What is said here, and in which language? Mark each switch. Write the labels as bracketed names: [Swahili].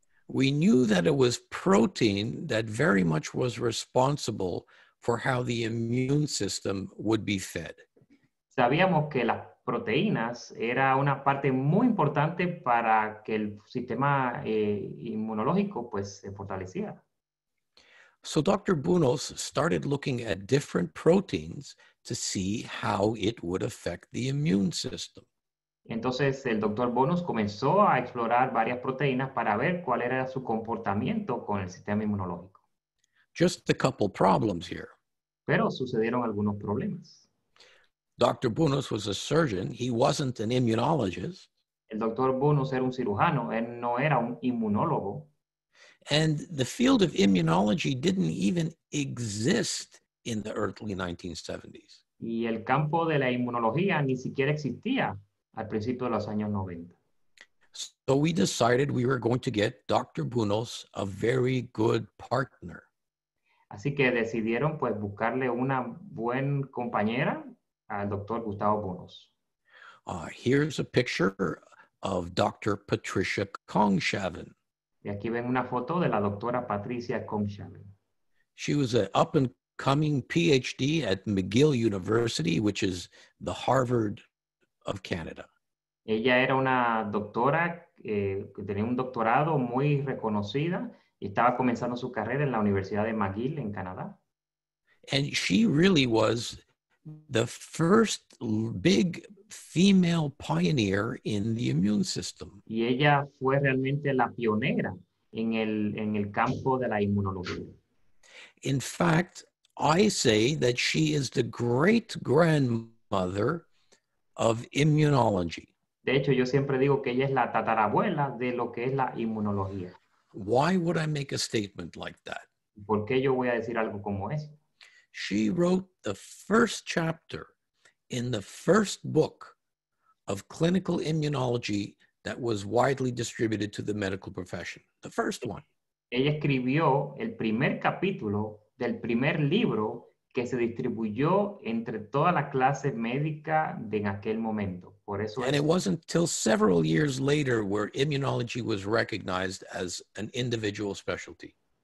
[English] We knew that it was protein that very much was responsible for how the immune system would be fed. [Spanish] Sabíamos que las proteínas era una parte muy importante para que el sistema inmunológico pues se fortaleciera. [English] So Dr. Bounus started looking at different proteins to see how it would affect the immune system. [Spanish] Entonces el doctor Bounus comenzó a explorar varias proteínas para ver cuál era su comportamiento con el sistema inmunológico. [English] Just a couple problems here. [Spanish] Pero sucedieron algunos problemas. [English] Dr. Bounus was a surgeon. He wasn't an immunologist. [Spanish] El doctor Bounus era un cirujano, él no era un inmunólogo. [English] And the field of immunology didn't even exist in the early 1970s. [Spanish] Y el campo de la inmunología ni siquiera existía al principio de los años 90. [English] So we decided we were going to get Dr. Bounus a very good partner. [Spanish] Así que decidieron pues buscarle una buena compañera al doctor Gustavo Bounus. [English] Here's a picture of Dr. Patricia kongshavn. [Spanish] Y aquí ven una foto de la doctora Patricia Comchavel. [English] She was an up-and-coming PhD at McGill University, which is the Harvard of Canada. [Spanish] Ella era una doctora que tenía un doctorado muy reconocida y estaba comenzando su carrera en la Universidad de McGill en Canadá. [English] And she really was the first big female pioneer in the immune system. [Spanish] Y ella fue realmente la pionera en el campo de la inmunología. [English] In fact, I say that she is the great grandmother of immunology. [Spanish] De hecho, yo siempre digo que ella es la tatarabuela de lo que es la inmunología. [English] Why would I make a statement like that? [Spanish] ¿Por qué yo voy a decir algo como eso? [English] She wrote the first chapter in the first book of clinical immunology that was widely distributed to the medical profession. The first one. [Spanish] Ella escribió el primer capítulo del primer libro que se distribuyó entre toda la clase médica de en aquel momento. Por eso [English] And it wasn't until several years later where immunology was recognized as an individual specialty.